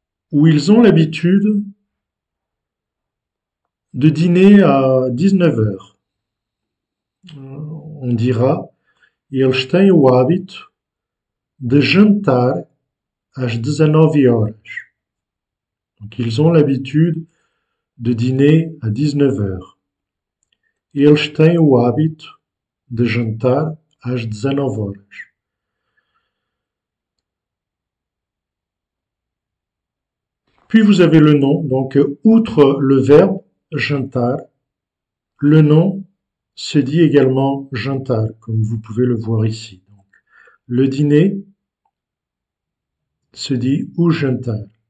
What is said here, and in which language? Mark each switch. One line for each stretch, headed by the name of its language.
French: Où ils ont l'habitude de dîner à 19 h. On dira, ils
Portuguese: têm o hábito de jantar âge 19 horas.
French: Donc, ils ont l'habitude de dîner à 19 heures.
Portuguese: Et eles têm o hábito de jantar às 19 horas.
French: Puis vous avez le nom, donc outre le verbe jantar, le nom se dit également jantar, comme vous pouvez le voir ici. Donc, le dîner se dit o jantar.